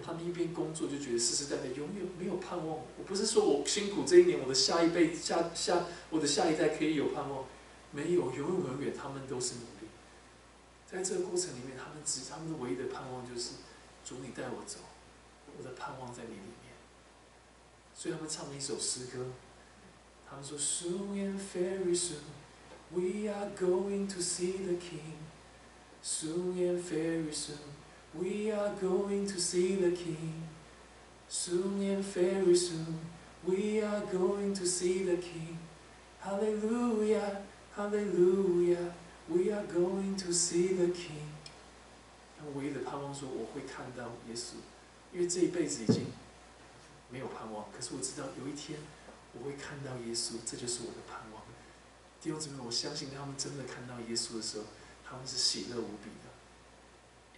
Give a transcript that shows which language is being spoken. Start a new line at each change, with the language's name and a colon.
Chinese: 他们一边工作就觉得世世代代永远没有盼望。我不是说我辛苦这一年，我的下一辈我的下一代可以有盼望，没有，永远永远他们都是努力。在这个过程里面，他们的唯一的盼望就是主你带我走，我的盼望在你里面。所以他们唱了一首诗歌，他们说
English: Soon and very soon we are going to see the King. Soon and very soon. We are going to see the King. Soon and very soon, we are going to see the King. Hallelujah, hallelujah, we are going to see the King.
Chinese: 他们唯一的盼望说我会看到耶稣，因为这一辈子已经没有盼望，可是我知道有一天我会看到耶稣，这就是我的盼望。弟兄姊妹，我相信他们真的看到耶稣的时候，他们是喜乐无比的。